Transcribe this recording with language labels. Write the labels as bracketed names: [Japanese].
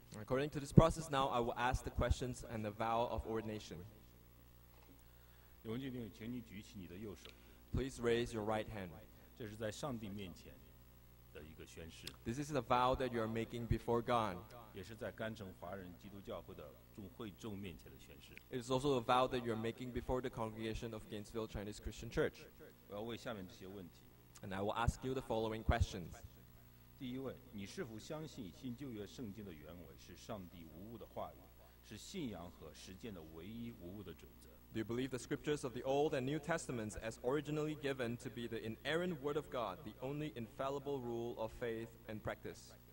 [English] According to this process, now I will ask the questions and the vow of ordination. [Chinese] 李红军弟兄，请你举起你的右手。 [English] Please raise your right hand. [Chinese] 这是在上帝面前的一个宣誓。 [English] This is the vow that you are making before God. [Chinese] 也是在甘城华人基督教会的众会众面前的宣誓。 [English] It is also a vow that you are making before the congregation of Gainesville Chinese Christian Church. [Chinese] 我要问下面这些问题。 [English] And I will ask you the following questions. [Chinese] 第一问，你是否相信新旧约圣经的原文是上帝无误的话语，是信仰和实践的唯一无误的准则？ [English] Do you believe the scriptures of the Old and New Testaments as originally given to be the inerrant word of God, the only infallible rule of faith and practice?